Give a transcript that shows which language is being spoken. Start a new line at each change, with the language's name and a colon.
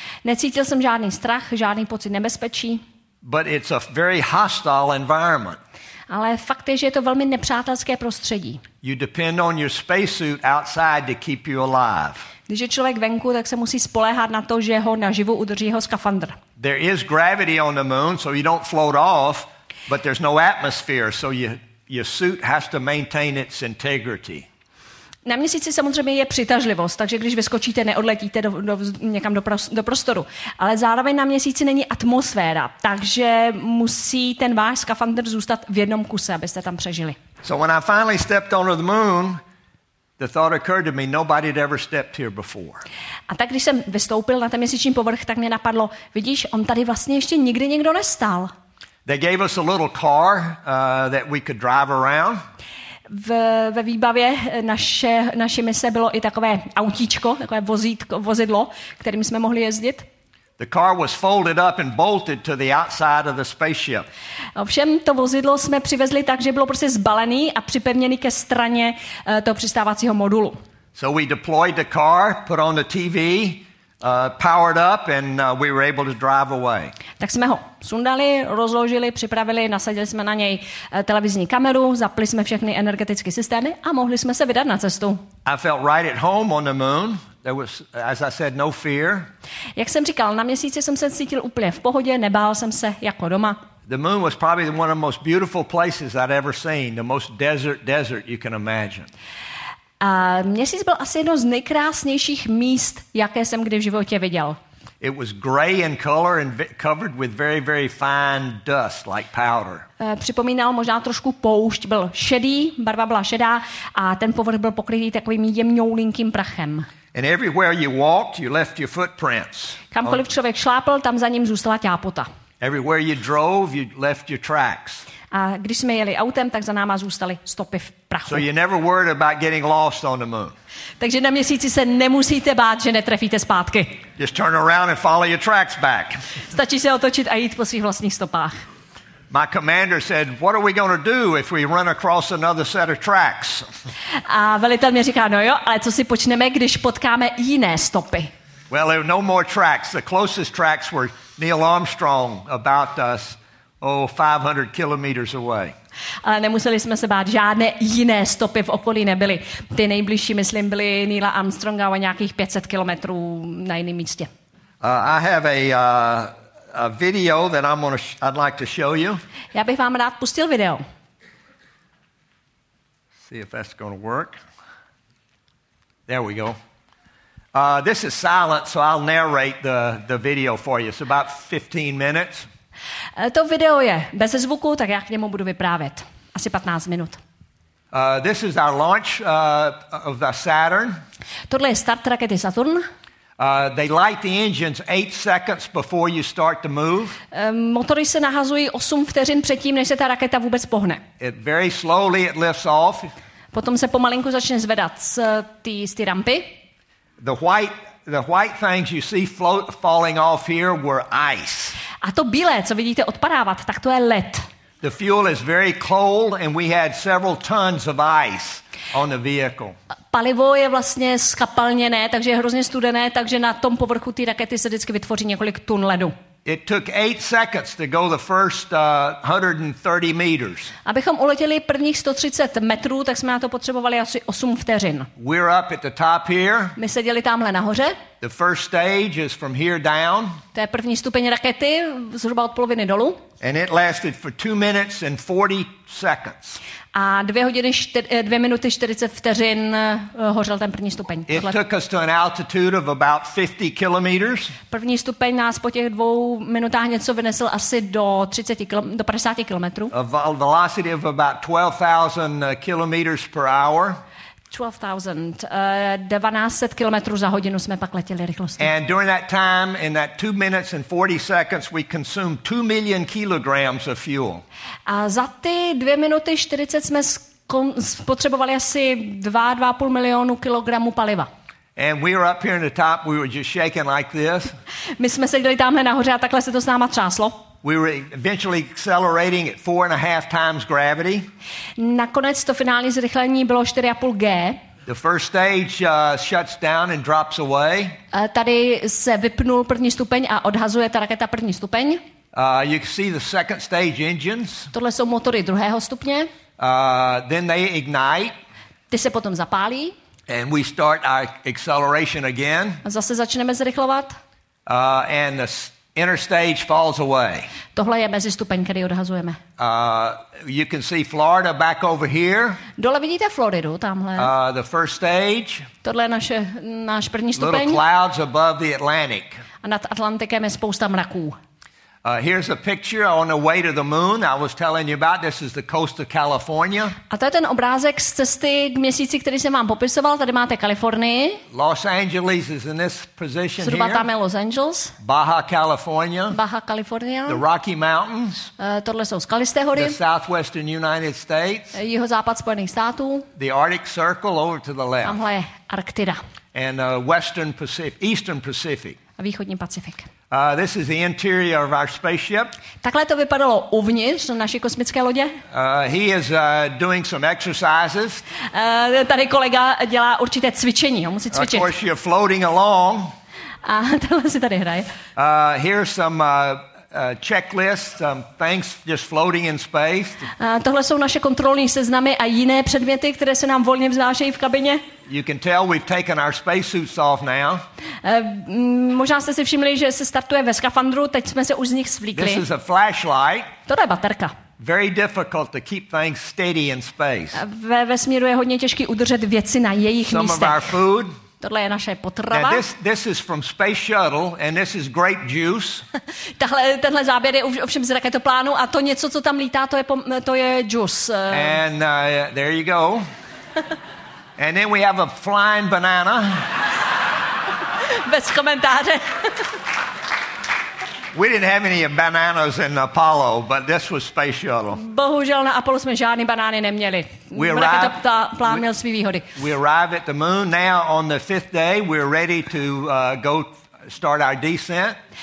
Czech: Necítil jsem žádný strach, žádný pocit nebezpečí.
English: But it's a very hostile environment.
Czech: Ale fakt je, že je to velmi nepřátelské prostředí.
English: You depend on your spacesuit outside to keep you alive.
Czech: Když je člověk venku, tak se musí spoléhat na to, že ho naživu udrží jeho skafandr.
English: There is gravity on the moon, so you don't float off, but there's no atmosphere, so your suit has to maintain its integrity.
Czech: Na měsíci samozřejmě je přitažlivost, takže když vyskočíte, neodletíte někam do prostoru. Ale zároveň na měsíci není atmosféra, takže musí ten váš skafandr zůstat v jednom kuse, abyste tam přežili.
English: So when I finally stepped onto the moon, the thought occurred to me, nobody had ever stepped here before.
Czech: A tak když jsem vystoupil na ten měsíční povrch, tak mě napadlo, vidíš, on tady vlastně ještě nikdy nikdo nestál.
English: They gave us a little car that we could drive around.
Czech: Ve výbavě naší mise bylo i takové autíčko, takové vozidlo, kterým jsme mohli jezdit.
English: The car was folded up and bolted to the outside of the spaceship.
Czech: Ovšem to vozidlo jsme přivezli tak, že bylo prostě zbalený a připevněný ke straně toho přistávacího modulu.
English: So we deployed the car, put on the TV, powered up and we were able to drive away.
Czech: Tak jsme ho sundali, rozložili, připravili, nasadili jsme na něj televizní kameru, zapli jsme všechny energetické systémy a mohli jsme se vydat na cestu.
English: I felt right at home on the moon. There was, as I said, no fear.
Czech: Jak jsem říkal, na měsíci jsem se cítil úplně v pohodě, nebál jsem se jako doma.
English: The moon was probably one of the most beautiful places I'd ever seen, the most desert you can imagine.
Czech: A měsíc byl asi jedno z nejkrásnějších míst, jaké jsem kdy v životě viděl.
English: It was gray in color and covered with very, very fine dust, like powder.
Czech: Připomínal možná trošku poušť, byl šedý, barva byla šedá a ten povrch byl pokrytý takovým jemňoulinkým prachem.
English: And everywhere you walked, you left your footprints.
Czech: Kamkoliv člověk šlápl, tam za ním zůstala ťápota.
English: Everywhere you drove, you left your tracks.
Czech: A když jsme jeli autem, tak za náma zůstaly stopy v prachu.
English: So you never worried about getting lost on the moon.
Czech: Takže na měsíci se nemusíte bát, že netrefíte zpátky.
English: Just turn around and follow your tracks back.
Czech: Stačí se otočit a jít po svých vlastních stopách.
English: My commander said, "What are we going to do if we run across another set of tracks?"
Czech: A velitel mi říká, no jo, ale co si počneme, když potkáme jiné stopy?
English: Well, there were no more tracks. The closest tracks were Neil Armstrong about us, 500 kilometers away.
Czech: Ale nemuseli jsme se bát, žádné jiné stopy v okolí nebyly. Ty nejbližší, myslím, byly Neila Armstronga o nějakých 500 kilometrů na jiném místě.
English: I have a video that I'd like to show you.
Czech: Já bych vám rád pustil video.
English: See if that's going to work. There we go. This is silent, so I'll narrate the video for you. It's about 15 minutes.
Czech: To video je bez zvuku, tak já k němu budu vyprávět. Asi 15 minut.
English: This is our launch of the Saturn.
Czech: Tohle je start rakety Saturn.
English: They light the engines 8 seconds before you start to move.
Czech: Motory se nahazují 8 vteřin předtím, než se ta raketa vůbec pohne.
English: It very slowly it lifts off.
Czech: Potom se pomalinku začne zvedat z té rampy.
English: The white things you see falling off here were ice.
Czech: A to bílé, co vidíte odpadávat, tak to je led.
English: The fuel is very cold and we had several tons of ice on the vehicle.
Czech: Palivo je vlastně skapalněné, takže je hrozně studené, takže na tom povrchu té rakety se vždycky vytvoří několik tun ledu.
English: It took 8 seconds to go the first 130 meters.
Czech: Abychom uletěli prvních 130 metrů, tak jsme na to potřebovali asi 8 vteřin.
English: We're up at the top here.
Czech: My seděli tamhle nahoře.
English: The first stage is from here down.
Czech: To je první stupeň rakety, zhruba od poloviny dolů.
English: And it lasted for 2 minutes and 40 seconds.
Czech: A 2 minuty 40 vteřin hořel ten první stupeň.
English: It took us to an altitude of about 50 kilometers.
Czech: První stupeň nás po těch 2 minutách něco vynesl asi do 50 kilometrů.
English: A velocity of about 12,000 kilometers per hour.
Czech: 1200 kilometrů za hodinu jsme pak letěli rychlostí.
English: And during that time, in that 2 minutes and 40 seconds, we consumed 2 million kilograms of fuel.
Czech: A za ty 2 minuty 40 jsme spotřebovali asi 2,5 milionu kilogramů paliva.
English: And we were up here in the top, we were just shaking like this.
Czech: My jsme seděli tamhle nahoře a takhle se to s náma třáslo.
English: We were eventually accelerating at 4.5 times gravity.
Czech: Nakonec to finální zrychlení bylo 4.5 G.
English: The first stage shuts down and drops away.
Czech: Tady se vypnul první stupeň a odhazuje ta raketa první stupeň.
English: You can see the second stage engines.
Czech: Tohle jsou motory druhého stupně.
English: Then they ignite.
Czech: Ty se potom zapálí.
English: And we start our acceleration again.
Czech: A zase začneme zrychlovat.
English: And the inner stage falls away.
Czech: Tohle je mezistupeň, který odhazujeme.
English: You can see Florida back over here.
Czech: Dole vidíte Floridu, tamhle.
English: The first stage.
Czech: Tohle je náš první stupeň.
English: Little clouds above the Atlantic.
Czech: A nad Atlantikem je spousta mraků.
English: Here's a picture on the way to the moon I was telling you about. This is the coast of California.
Czech: A to je ten obrázek z cesty k měsíci, který jsem vám popisoval. Tady máte Kalifornii.
English: Los Angeles is in this position
Czech: zhruba
English: here.
Czech: Zhruba tam je Los Angeles.
English: Baja California.
Czech: Baja California.
English: The Rocky Mountains.
Czech: Tohle jsou skalisté hory.
English: The southwestern United States.
Czech: Jihozápad Spojených států.
English: The Arctic Circle over to the left.
Czech: Tamhle je Arktida.
English: And western Pacific, eastern Pacific.
Czech: A východní Pacifik.
English: This is the interior of our spaceship.
Czech: Takhle to vypadalo uvnitř naší kosmické lodě.
English: He is doing some exercises.
Czech: Tady kolega dělá určité cvičení, on musí cvičit.
English: Of course, you're floating along.
Czech: A tohle si tady hraje.
English: Here's some checklist, some things just floating in space.
Czech: Tohle jsou naše kontrolní seznamy a jiné předměty, které se nám volně vznášejí v kabině.
English: You can tell we've taken our space suits off now.
Czech: Možná jste si všimli, že se startuje ve skafandru, teď jsme se už z nich svlíkli.
English: This is a flashlight.
Czech: Tohle je baterka.
English: Very difficult to keep things steady in space.
Czech: Ve vesmíru je hodně těžký udržet věci na jejich místech.
English: Some of our food.
Czech: Tohle je naše potrava.
English: Now this is from Space Shuttle and this is grape juice.
Czech: Tenhle záběr je ovšem z raketoplánu a to něco, co tam lítá, to je juice.
English: And there you go. And then we have a flying banana.
Czech: Bez komentáře.
English: We didn't have any bananas in Apollo, but this was Space Shuttle.
Czech: Bohužel na Apollo jsme žádné banány neměli.
English: We arrived at the moon. Now on the fifth day, we're ready to go start our descent.